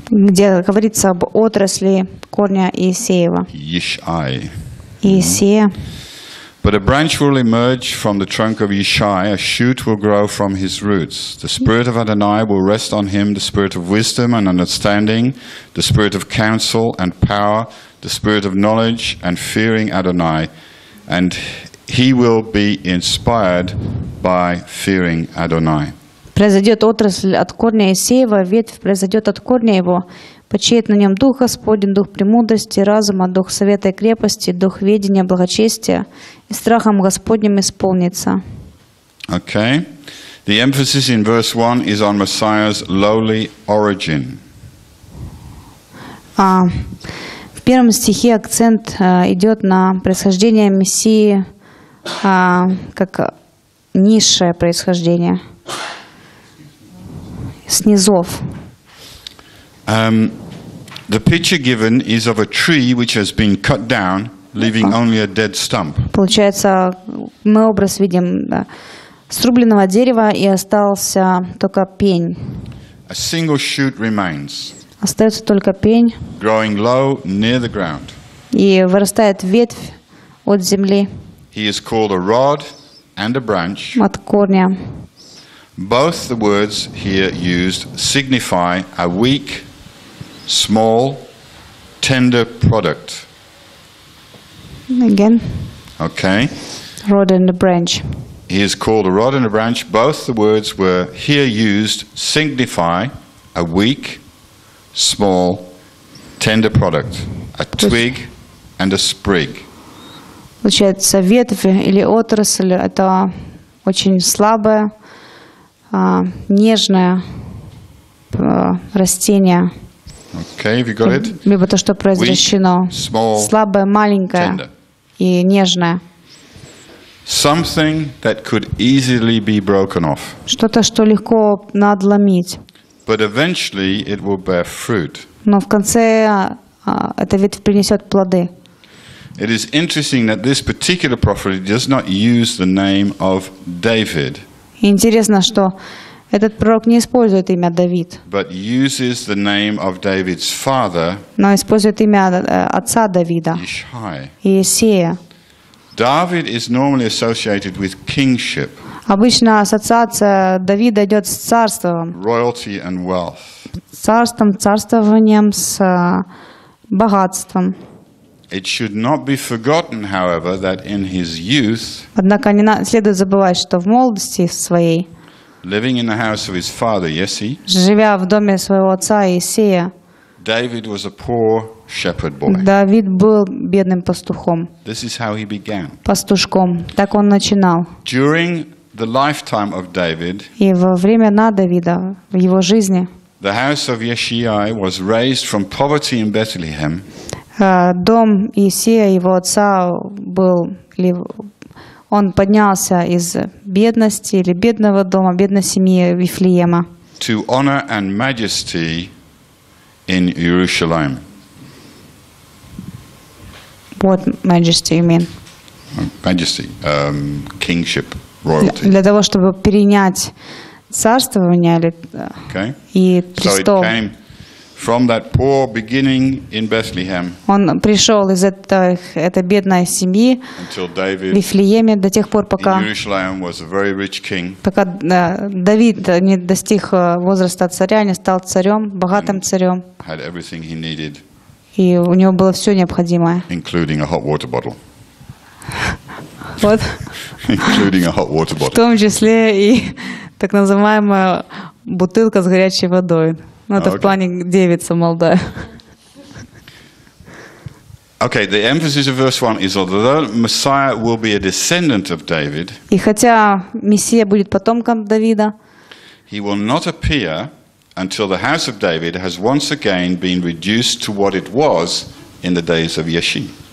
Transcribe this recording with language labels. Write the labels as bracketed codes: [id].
[ru] Где говорится об отрасли корня Иессеева. [en] Yishai. [ru] Иессея. [en] But a branch will emerge from the trunk of Yishai, a shoot will grow from his roots. The spirit of Adonai will rest on him, the spirit of wisdom and understanding, the spirit of counsel and power, the spirit of knowledge and fearing Adonai, and he will be inspired by fearing Adonai. [ru] Произойдет отрасль от корня Иессеева, ветвь произойдет от корня его. Почиет на нем Дух Господень, Дух премудрости, разума, Дух совета и крепости, Дух ведения, благочестия, и страхом Господним исполнится. [en] Okay. The emphasis in verse 1 is on Messiah's lowly origin. [ru] В первом стихе акцент идет на происхождение Мессии как низшее происхождение. Снизов. [en] The picture given is of a tree which has been cut down, leaving only a dead stump. [ru] Получается, мы образ видим срубленного дерева и остался только пень. [en] A single shoot remains. [ru] Остается только пень. [en] Growing low near the ground. [ru] И вырастает ветвь от земли. [en] He is called a rod and a branch. [ru] От корня. [en] Both the words here used signify a weak, small, tender product. Again. Okay. Rod and a branch. He is called a rod and a branch. Both the words were here used signify a weak, small, tender product, a twig and a sprig. [ru] Получается, ветвь или отрасль – это очень слабое, нежное растение. [en] Okay, have you got it? [ru] Либо то, что произрещено. Слабое, маленькое и нежное. [en] Something that could easily be broken off. [ru] Что-то, что легко надломить. [en] But eventually it will bear fruit. [ru] Но в конце эта ветвь принесет плоды. [en] It is interesting that this particular prophet does not use the name of David. [ru] Интересно, что этот пророк не использует имя Давид, [en] but uses the name of David's father, [ru] но использует имя отца Давида, Иессея. [en] David is normally associated with kingship. [ru] Обычно ассоциация Давида идет с царством. [en] Royalty and wealth. [ru] Царством, царствованием, с богатством. [en] It should not be forgotten, however, that in his youth, [ru] однако не следует забывать, что в молодости своей, [en] living in the house of his father Jesse, [ru] живя в доме своего отца Иессея, [en] David was a poor shepherd boy. [ru] Давид был бедным пастухом. [en] This is how he began. [ru] Пастушком, так он начинал. [en] During the lifetime of David, [ru] и во время на Давида в его жизни, [en] the house of Yeshai was raised from poverty in Bethlehem. [ru] Дом Иессея, его отца, был, или он поднялся из бедности или бедного дома, бедной семьи Вифлеема. [en] To honor and majesty in Jerusalem. What majesty you mean? Majesty, kingship, royalty. [ru] Для того, чтобы перенять царствование или, [en] okay, [ru] и престол. [en] So it came from that poor beginning in Bethlehem. [ru] Он пришел из этой бедной семьи в Вифлееме до тех пор, пока [en] Иерусалим was a very rich king. [ru] Пока Давид не достиг возраста царя, не стал царем, богатым царем. [en] Had everything he needed. [ru] И у него было все необходимое. [en] Including a hot water bottle. What? Including a hot water bottle. [ru] В том числе и так называемая бутылка с горячей водой. Ну, это okay. В плане девица молодая. [en] Okay, the emphasis of verse 1 is although Messiah will be a descendant of David. [ru] И хотя Мессия будет потомком Давида, [en] he will not appear until the house of David has once again been reduced to what it was in the days of Jesse.